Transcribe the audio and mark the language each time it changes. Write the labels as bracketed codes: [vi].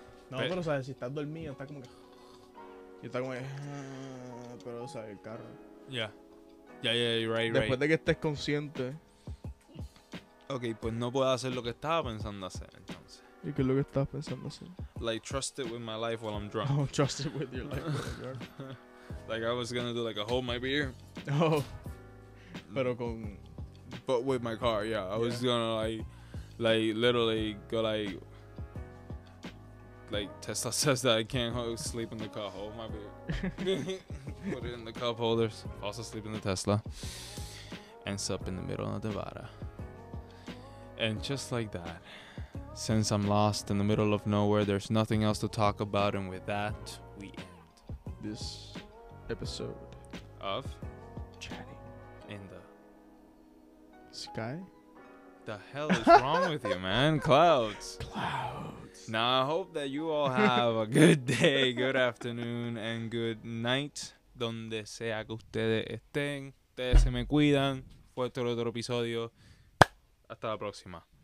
[es] No, pero sabes, si estás dormido, está como que... Y está como que... Pero, o sea, el carro. [en] Yeah. Yeah, you're right. [es] Después de que estés consciente. Okay, pues no puedo hacer lo que estaba pensando hacer, entonces. ¿Y qué es lo que estabas pensando hacer? [en] Like, trust it with my life while I'm drunk. Oh, trust it with your life while I'm drunk. Like, I was gonna do, like, a hold my beer. [es] Oh. Pero con... [en] But with my car, yeah. I was gonna, like, literally go, like... Like, Tesla says that I can't sleep in the car. Hold my beer. Put it in the cup holders. Also sleep in the Tesla. Ends up in the middle of Nevada. And just like that... Since I'm lost in the middle of nowhere, there's nothing else to talk about. And with that, we end this episode of Chatting in the Sky. The hell is wrong with you, man? Clouds. Clouds. Now, I hope that you all have a good day, good afternoon, and good night. [es] Donde sea que ustedes estén. Ustedes se me cuidan. Fue otro episodio. Hasta la próxima.